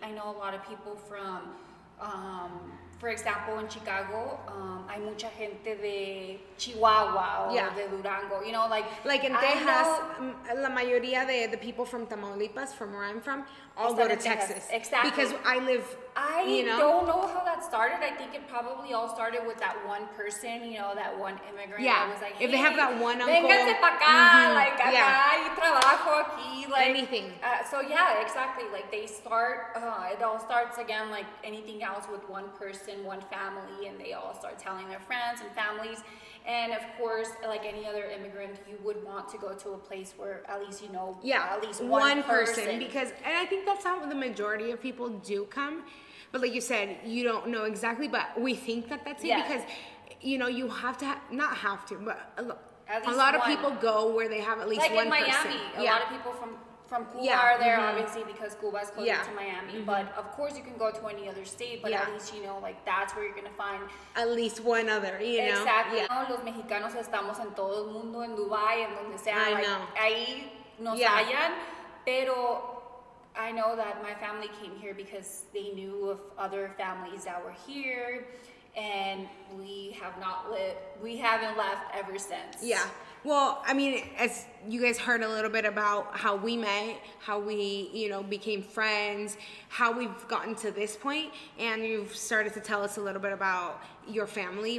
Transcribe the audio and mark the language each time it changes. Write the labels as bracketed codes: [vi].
[en] I know a lot of people from, for example, in Chicago, hay mucha gente de Chihuahua or de Durango, you know, like in Texas, la mayoría de the people from Tamaulipas, from where I'm from, all go to Texas. Exactly. Because I live, Don't know how that started. I think it probably all started with that one person, you know, that one immigrant. Yeah. That was like, hey, if they have that one uncle. [es] Véngase pa acá, acá, y trabajo aquí. [en] Like, anything. Exactly. Like, they start, it all starts again, like anything else, with one person, one family, and they all start telling their friends and families. And of course, like any other immigrant, you would want to go to a place where at least you know, at least one person. Because, and I think that's how the majority of people do come. But like you said, you don't know exactly, but we think that that's it. Because, you know, you have to, a lot of people go where they have at least like one person. Like in Miami, a lot of people from Cuba are there, obviously, because Cuba is closer to Miami. Mm-hmm. But of course, you can go to any other state, but at least, you know, like that's where you're going to find at least one other, you know? Exactly. Yeah. [es] Los mexicanos estamos en todo el mundo, en Dubai, en donde sea. [en] Ahí nos hallan, pero I know that my family came here because they knew of other families that were here, and we haven't left ever since. Yeah. Well, I mean, as you guys heard a little bit about how we met, how we, you know, became friends, how we've gotten to this point, and you've started to tell us a little bit about your family.